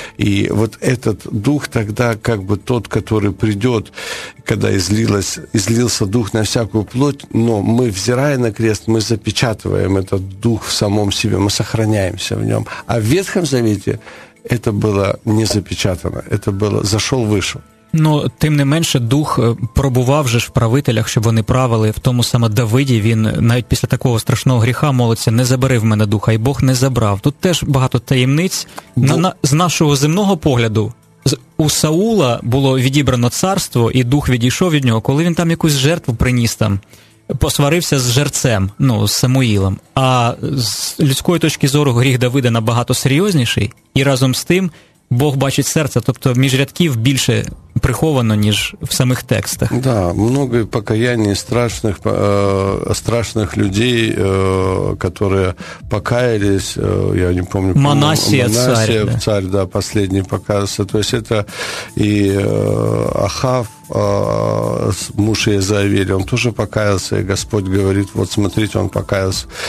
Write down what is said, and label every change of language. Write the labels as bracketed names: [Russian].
[Russian] И вот этот дух тогда, как бы тот, который придет, когда излился дух на всякую плоть, но мы, взирая на крест, мы запечатываем этот дух в самом себе, мы сохраняемся в нем. А в Ветхом Завете это было не запечатано, это было зашел-вышел. [Ukrainian] Ну, тим не менше, дух пробував же ж в правителях, щоб вони правили. В тому саме Давиді він навіть після такого страшного гріха молиться, не забери в мене духа, і Бог не забрав. Тут теж багато таємниць. Бо... З нашого земного погляду, у Саула було відібрано царство, і дух відійшов від нього, коли він там якусь жертву приніс там, посварився з жерцем, ну, з Самуїлом. А з людської точки зору гріх Давида набагато серйозніший, і разом з тим Бог бачить серце, тобто між рядків більше приховано, ніж в самих текстах. [Russian] Да, много покаяний страшних, страшних людей, которые покаялись, я не помню, [Ukrainian] Манасія [Russian] царь, да. Царь, да, последний покаялся. То есть это и Ахав, муж Иезавели, он тоже покаялся, и Господь говорит, вот смотрите, он покаялся.